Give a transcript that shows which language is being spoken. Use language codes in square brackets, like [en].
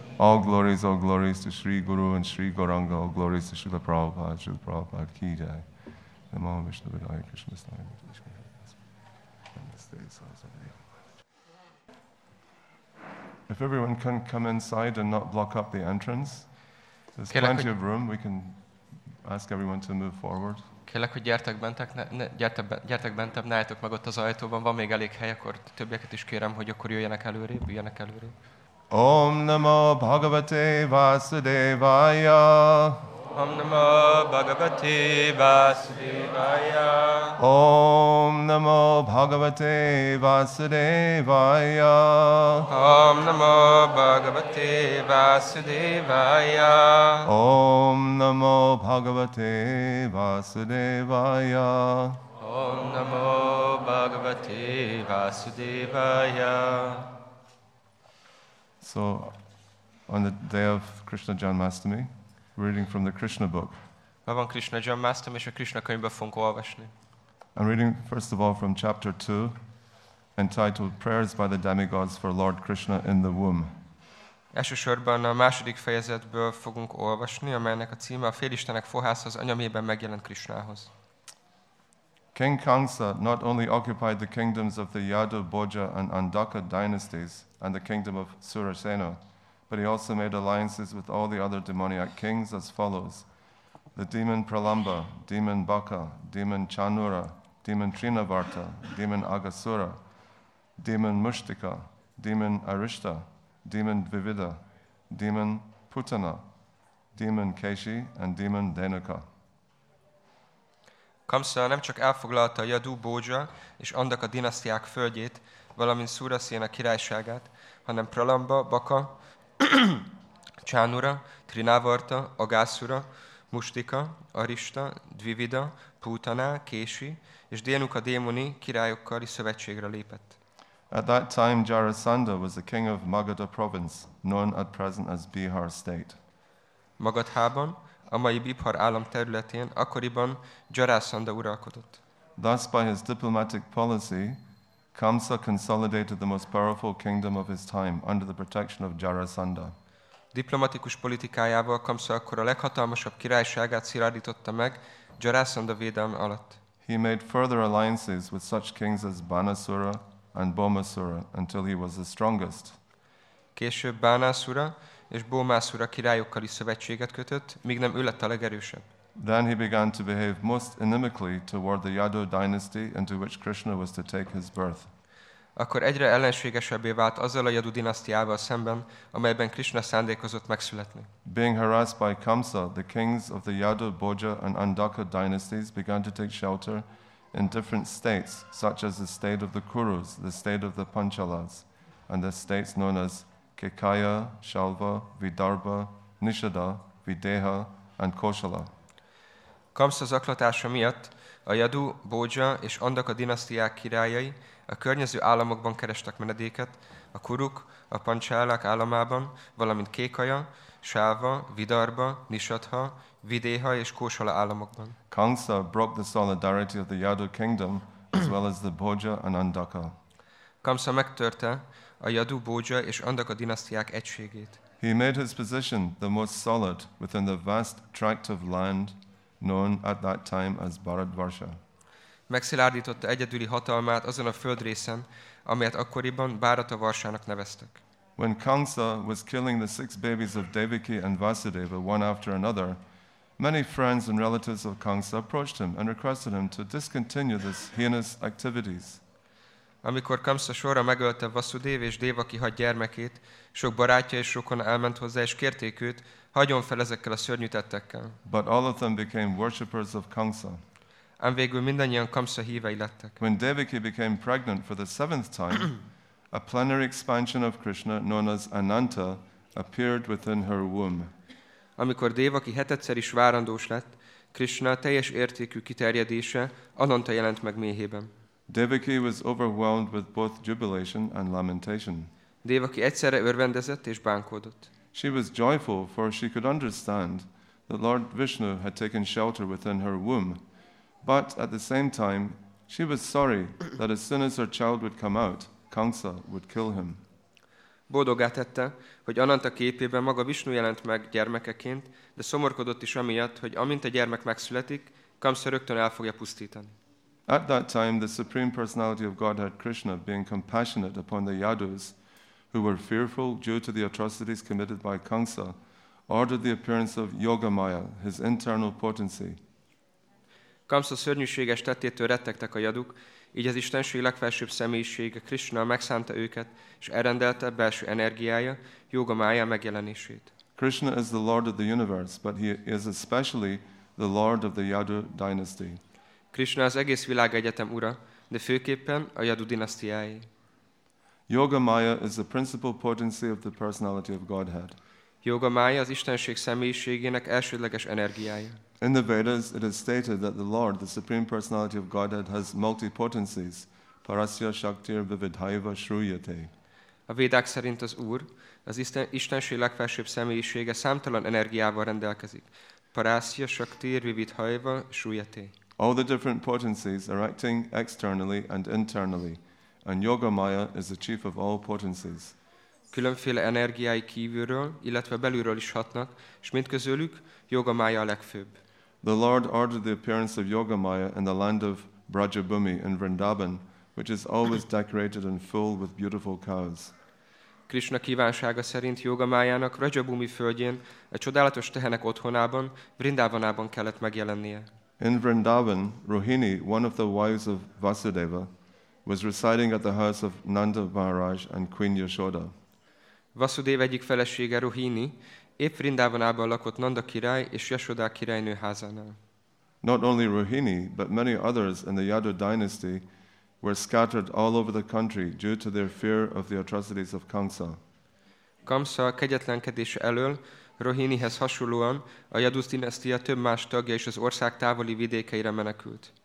[en] All glories to Sri Guru and Sri Gauranga. All glories to Srila Prabhupada, Srila Prabhupada Ki Jai. [sa] Namo Vishnu Vidaya Krishna Sthaya [en] If everyone can come inside and not block up the entrance, there's plenty of room. We can ask everyone to move forward. [hu] Kérlek, hogy gyertek bentebb, ne álljatok meg ott az ajtóban, van még elég hely, akkor többieket is kérem, hogy akkor jöjjenek előrébb. [sa] Om namo Bhagavate Vasudevaya. Om namo Bhagavate Vasudevaya. Om namo Bhagavate Vasudevaya. Om namo Bhagavate Vasudevaya. Om namo Bhagavate Vasudevaya. Om namo Bhagavate Vasudevaya. [en] So, on the day of Krishna Janmastami, reading from the Krishna book. [hu] Ma van Krishna Janmastami, és a Krishna könyvből fogunk olvasni. [en] I'm reading first of all from chapter 2, entitled Prayers by the Demigods for Lord Krishna in the Womb. [hu] Elsősorban a második fejezetből fogunk olvasni, amelynek a címe a félistenek fohászhoz, anyamében megjelent Krishnához. [en] King Kamsa not only occupied the kingdoms of the Yadu, Bhoja and Andaka dynasties and the kingdom of Surasena, but he also made alliances with all the other demoniac kings as follows. The demon Pralamba, demon Baka, demon Chanura, demon Trinavarta, demon Agasura, demon Mushtika, demon Arishta, demon Vivida, demon Putana, Demon Keshi and Demon Denuka. [hu] Kamsa nem csak elfoglalta Yadu, Bhoja és Andaka dinasztiák földjét, valamint Surasena királyságát, hanem Pralamba, Baka, Chanura, Trinavarta, Agasura, Mustika, Arista, Dvivida, Putana, Keshi és Denuka démoni királyokkal is szövetségre lépett. [en] At that time Jarasandha was the king of Magadha province, known at present as Bihar state. [hu] Magadhában, a mai Bihar állam területén akkoriban Jarasandha uralkodott. [en] Thus by his diplomatic policy, Kamsa consolidated the most powerful kingdom of his time under the protection of Jarasandha. [hu] Diplomatikus politikájával Kamsa akkor a leghatalmasabb királyságát szilárdította meg Jarasandha védelme alatt. [en] He made further alliances with such kings as Banasura and Bhomasura until he was the strongest. [hu] Később Banasura és Bhomasura királyokkal is szövetséget kötött, míg nem ő lett a legerősebb. [en] Then he began to behave most inimically toward the Yadu dynasty into which Krishna was to take his birth. [hu] Akkor egyre ellenségesebbé vált azzal a Yadu dinasztiával szemben, amelyben Krishna szándékozott megszületni. [en] Being harassed by Kamsa, the kings of the Yadu, Bhoja and Andaka dynasties began to take shelter in different states, such as the state of the Kurus, the state of the Panchalas, and the states known as Kekaya, Shalva, Vidarbha, Nishada, Videha, and Kosala. [hu] Kamsa zaklatása miatt a Yadu, Bhoja és Andaka dinasztiák királyai a környező államokban kerestek menedéket, a Kuruk, a Panchalák államában, valamint Kekaya, Shalva, Vidarbha, Nishadha, Videha és Kosala államokban. [en] Kamsa broke the solidarity of the Yadu kingdom as well as the Bhoja and Andaka. [hu] Kamsa megtörte a Yadu, Bhoja és Andaka dinasztiák egységét. [en] He made his position the most solid within the vast tract of land known at that time as Bharatvarsha. [hu] Megszilárdította egyedüli hatalmát azon a földrészen, amelyet akkoriban Bharatavarsának neveztek. [en] When Kamsa was killing the six babies of Devaki and Vasudeva one after another, many friends and relatives of Kamsa approached him and requested him to discontinue this heinous activities. [hu] Amikor Kamsa sorra megölte Vasudev és Devaki hat gyermekét, sok barátja és rokon elment hozzá, és kérték őt, hagyjon fel ezekkel a szörnyű tettekkel. [en] But all of them became worshippers of Kamsa. [hu] Ám végül mindannyian Kamsa hívei lettek. [en] When Devaki became pregnant for the seventh time, a plenary expansion of Krishna, known as Ananta, appeared within her womb. [hu] Amikor Devaki hetedszer is várandós lett, Krishna teljes értékű kiterjedése Ananta jelent meg méhében. [en] Devaki was overwhelmed with both jubilation and lamentation. [hu] Devaki egyszerre örvendezett és bánkódott. [en] She was joyful, for she could understand that Lord Vishnu had taken shelter within her womb. But at the same time, she was sorry that as soon as her child would come out, Kamsa would kill him. [hu] Boldoggá tette, hogy Ananta képében maga Vishnu jelent meg gyermekeként, de szomorkodott is amiatt, hogy amint a gyermek megszületik, Kamsa rögtön el fogja pusztítani. [en] At that time, the Supreme Personality of Godhead Krishna, being compassionate upon the Yadus, who were fearful due to the atrocities committed by Kamsa, ordered the appearance of Yogamaya, his internal potency. [hu] Kamsa szörnyűséges tettétől rettegtek a Yaduk, így az Istenség legfelsőbb személyisége Krishna megszánta őket, és elrendelte belső energiája, Yogamaya megjelenését. [en] Krishna is the Lord of the universe, but he is especially the Lord of the Yadu dynasty. [hu] Krishna az egész világegyetem ura, de főképpen a Yadu dinasztiájé. [en] Yogamaya is the principal potency of the personality of Godhead. [hu] Yogamaya az Istenség személyiségének elsődleges energiája. [en] In the Vedas, it is stated that the Lord, the Supreme Personality of Godhead, has multi-potencies, [sa] parasya shaktir vividhaiva shruyate. [hu] A Védák szerint az Úr, az Istenség legfelsőbb személyisége számtalan energiával rendelkezik, [sa] parasya shaktir vividhaiva shruyate. [en] All the different potencies are acting externally and internally, and Yogamaya is the chief of all potencies. [hu] Különféle energiái kívülről, illetve belülről is hatnak, és mindközülük Yogamaya a legfőbb. [en] The Lord ordered the appearance of Yogamaya in the land of Brajabhumi in Vrindavan, which is always decorated and full with beautiful cows. [hu] Krishna kívánsága szerint Yogamayának Brajabhumi földjén, a csodálatos tehenek otthonában, Vrindavanában kellett megjelennie. [en] In Vrindavan, Rohini, one of the wives of Vasudeva, was residing at the house of Nanda Maharaj and Queen Yashoda. [hu] Vasudeva egyik felesége Rohini Épp Vrindávanában lakott Nanda király és Yashoda királynő házánál. [en] Not only Rohini, but many others in the Yadu dynasty were scattered all over the country due to their fear of the atrocities of Kamsa. [hu] Kamsa kegyetlenkedése elől Rohinihez hasonlóan a Yadu dinasztia több más tagja is az ország távoli vidékeire menekült.